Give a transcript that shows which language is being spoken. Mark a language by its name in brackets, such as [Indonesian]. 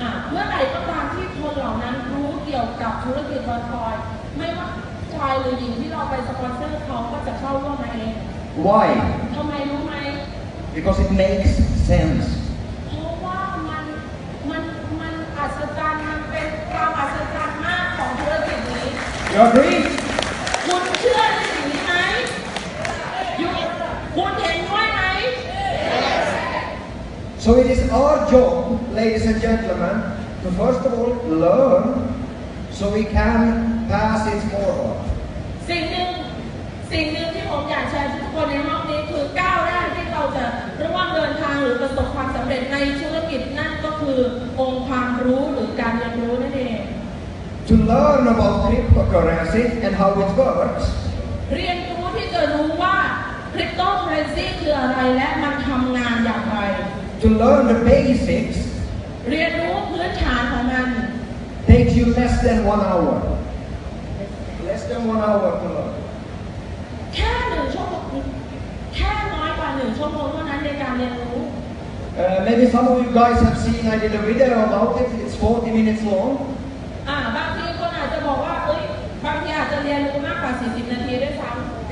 [Thai] เมื่อไหร่ก็ตามที่คนเหล่านั้นรู้เกี่ยวกับธุรกิจบอลคอยไม่ว่า ายหรือหญิงที่เราไปสปอนเซอร์เขาก็จะเข้าร่วมมาเอง [English] Why [Thai] ทำไมรู้ไหม [English] Because it makes sense [Thai] เพราะว่ามันอัศจรรย์มันเป็นความอัศจรรย์มากของธุรกิจนี้ [English] You agreeSo it is our job, ladies and gentlemen, to first of all learn, so we can pass it forward. [Thai] สิ่งหนึ่งที่ผมอยากแชร์ทุกคนในรอบนี้คือก้าวแรกที่เราจะระหว่างเดินทางหรือประสบความสำเร็จในธุรกิจนั่นก็คือองค์ความรู้หรือการเรียนรู้นั่นเอง [English] To learn about cryptocurrency and how it works. [Thai] เรียนรู้ที่จะรู้ว่าคริปโตเคอเรนซีคืออะไรและมันทำงานอย่างไร [English] To learn the basics, [Thai] เรียนรู้พื้นฐานของมัน [English] takes you less than one hour to learn. [Thai] แค่น้อยกว่าหนึ่งชั่วโมงเท่านั้นในการเรียนรู้ [English] Maybe some of you guys have seen I did a video about it. It's 40 minutes long. [Thai] บางทีคนอาจจะบอกว่าเอ้ยบางทีอาจจะเรียนรู้มากกว่า40นาทีด้วยซ้ำ